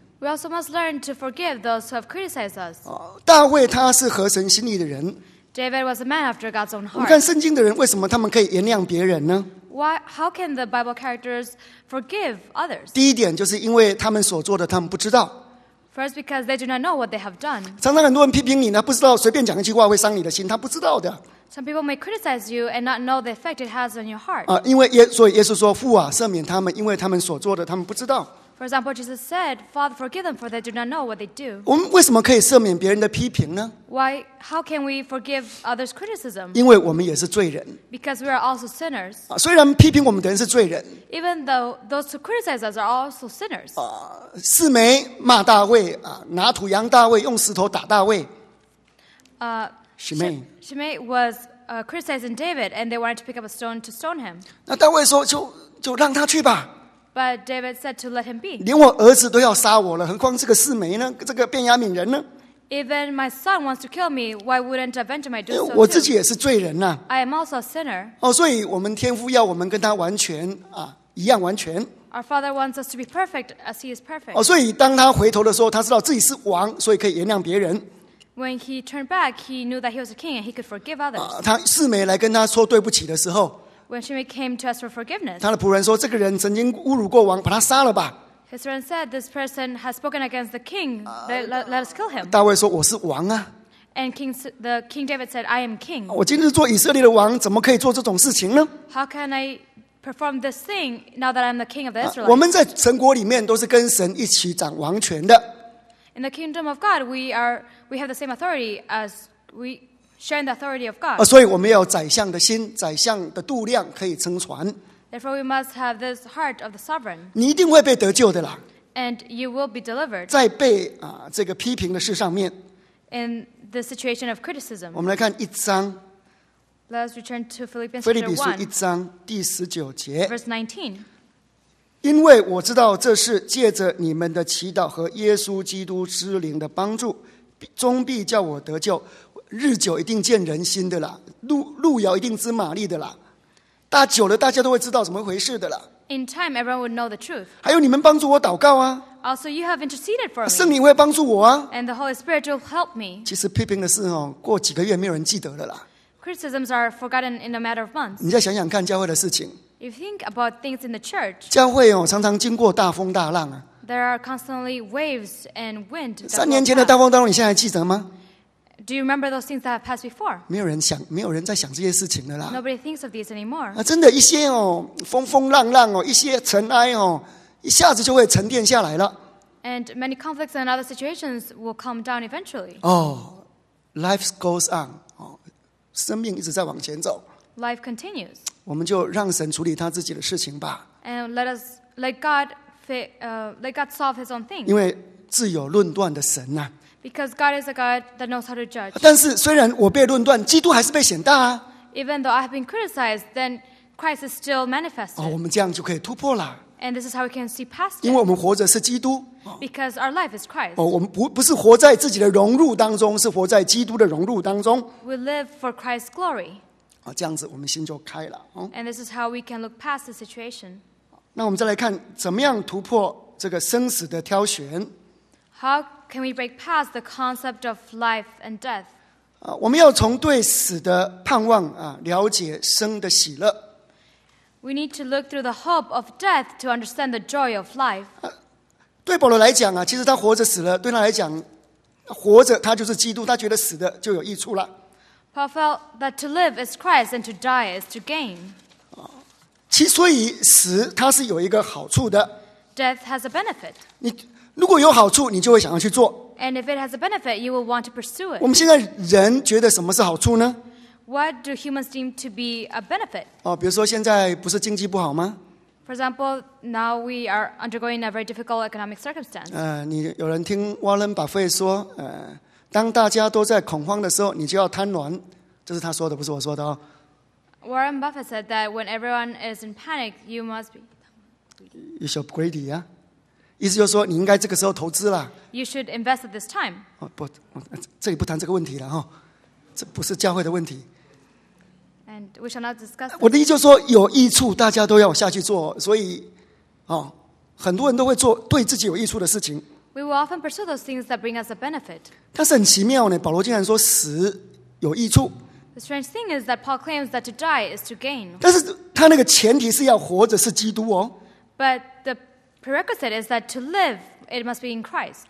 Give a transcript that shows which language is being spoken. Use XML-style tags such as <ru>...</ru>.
<en>We also must learn to forgive those who have criticized us.</en> <zh>大卫他是合神心意的人。</zh> <en>David was a man after God's own heart.</en> <zh>我们看圣经的人为什么他们可以原谅别人呢？</zh> <en>How can the Bible characters forgive others?</en> <zh>第一点就是因为他们所做的他们不知道。</zh> <en>First, because they do not know what they have done.</en> <zh>常常很多人批评你呢，不知道随便讲一句话会伤你的心，他不知道的。</zh> <en>Some people may criticize you and not know the effect it has on your heart.</en> <zh>因为耶稣说父啊赦免他们，因为他们所做的他们不知道。</zh> <en>For example, Jesus said, "Father, forgive them, for they do not know what they do."</en> <zh>我们为什么可以赦免别人的批评呢？</zh> <en>Why? How can we forgive others' criticism?</en> <zh>因为我们也是罪人。</zh> <en>Because we are also sinners.</en> <zh>虽然批评我们的人是罪人。</zh> <en>Even though those who criticize us are also sinners.</en> <zh>四枚骂大卫拿土扬大卫，用石头打大卫。</zh> <en>Shimei was criticizing David, and they wanted to pick up a stone to stone him.</en> <zh>那大卫说：“就让他去吧。”</zh> <en>But David said to let him be.</en> <zh>连我儿子都要杀我了，何况这个四枚呢？这个便雅悯人呢？</zh> <en>Even my son wants to kill me. Why wouldn't a Benjamin do so?</en> <zh>我自己也是罪人呐。</zh> <en>I am also a sinner.</en> <zh>所以我们天父要我们跟他完全一样完全。</zh> <en>Our Father wants us to be perfect as He is perfect.</en> <zh>所以当他回头的时候，他知道自己是王，所以可以原谅别人。</zh> <en>When he turned back, he knew that he was a king and he could forgive others.</en> <zh>他四枚来跟他说对不起的时候。</zh> <en>When Shimei came to ask for forgiveness,</en> <zh>他的仆人说：“这个人曾经侮辱过王，把他杀了吧。”</zh> <en>His servant said, "This person has spoken against the king. Let us kill him."</en> <zh>大卫说：“我是王啊。”</zh> <en>And King David said, "I am king."</en> <zh>我今日做以色列的王，怎么可以做这种事情呢？</zh> <en>How can I perform this thing now that I'm the king of the Israelites?</en> <zh>我们在神国里面都是跟神一起掌王权的。</zh> <en>In the kingdom of God, we have the same authority as we. Sharing the authority of God.</en> <zh>所以我们要有宰相的心，宰相的度量可以撑船。</zh> <en>Therefore, we must have this heart of the sovereign.</en> <zh>你一定会被得救的啦。</zh> <en>And you will be delivered.</en> <zh>在被这个批评的事上面。</zh> <en>In the situation of criticism.</en> <zh>我们来看一章。</zh> <en>Let us return to Philippians 1.</en> <zh>腓立比书一章第十九节。</zh> <en>Verse 19.</en> <zh>因为我知道这是借着你们的祈祷和耶稣基督之灵的帮助，终必叫我得救。日久一定见人心的啦，路遥一定知马力的啦，大久了大家都会知道怎么回事的啦。</zh> <en>In time, everyone would know the truth.</en> <zh>还有你们帮助我祷告啊。</zh> <en>Also, you have interceded for me.</en> <zh>圣灵会帮助我啊。</zh> <en>And the Holy Spirit will help me.</en> <zh>其实批评的事哦，过几个月没有人记得了啦。</zh> <en>Criticisms are forgotten in a matter of months.</en> <zh>你再想想看教会的事情。</zh> <en>You think about things in the church.</en> <zh>教会哦，常常经过大风大浪啊。</zh> <en>There are constantly waves and wind.</en> <zh>三年前的大风大浪，你现在还记得吗？</zh> <en>Do you remember those things that have passed before?</en> <zh>没有人在想这些事情了啦。</zh> <en>Nobody thinks of these anymore.</en> <zh>啊，真的，一些哦，风风浪浪哦，一些尘埃哦，一下子就会沉淀下来了。</zh> <en>And many conflicts and other situations will calm down eventually. Oh, life goes on.</en> <zh>哦，生命一直在往前走。</zh> <en>Life continues.</en> <zh>我们就让神处理他自己的事情吧。</zh> <en>And let us let God solve His own thing.</en> <zh>因为自有论断的神呐。</zh> <en>Because God is a God that knows how to judge.</en> <zh>但是虽然我被论断，基督还是被显大啊。</zh> <en>Even though I have been criticized, then Christ is still manifested.</en> <zh>哦，我们这样就可以突破了。</zh> <en>And this is how we can see past it.</en> <zh>因为我们活着是基督。</zh> <en>Because our life is Christ.</en> <zh>哦，我们不是活在自己的荣辱当中，是活在基督的荣辱当中。</zh> <en>We live for Christ's glory.</en> <zh>哦，这样子我们心就开了。</zh> <en>And this is how we can look past the situation.</en> <zh>那我们再来看怎么样突破这个生死的挑选。</zh> <en>How can we break past the concept of life and death?</en> <zh>我们要从对死的盼望啊，了解生的喜乐。</zh> <en>We need to look through the hope of death to understand the joy of life.</en> <zh>对保罗来讲啊，其实他活着死了，对他来讲，活着他就是基督，他觉得死的就有益处了。</zh> <en>Paul felt that to live is Christ and to die is to gain.</en> <zh>其所以死它是有一个好处的。</zh> <en>Death has a benefit.</en> <zh>如果有好处，你就会想要去做。</zh> <en>And if it has a benefit, you will want to pursue it.</en> <zh>我们现在人觉得什么是好处呢？</zh> <en>What do humans deem to be a benefit?</en> <zh>哦，比如说现在不是经济不好吗？</zh> <en>For example, now we are undergoing a very difficult economic circumstance.</en> <zh>你有人听 Warren Buffett 说，当大家都在恐慌的时候，你就要贪婪。这是他说的，不是我说的哦。</zh> <en>Warren Buffett said that when everyone is in panic, you must be. You should be greedy, yeah?</en> <zh>意思就是说，你应该这个时候投资了。</zh> <en>You should invest at this time.</en> <zh>哦，不，这里不谈这个问题了哈，这不是教会的问题。</zh> <en>And we shall not discuss.</en> <zh>我的意思就是说，有益处大家都要下去做，所以，哦，很多人都会做对自己有益处的事情。</zh> <en>We will often pursue those things that bring us a benefit.</en> <zh>但是很奇妙呢，保罗竟然说死有益处。</zh> <en>The strange thing is that Paul claims that to die is to gain.</en> <zh>但是他那个前提是要活着是基督哦。</zh> <en>But the prerequisite is that to live, it must be in Christ.</en>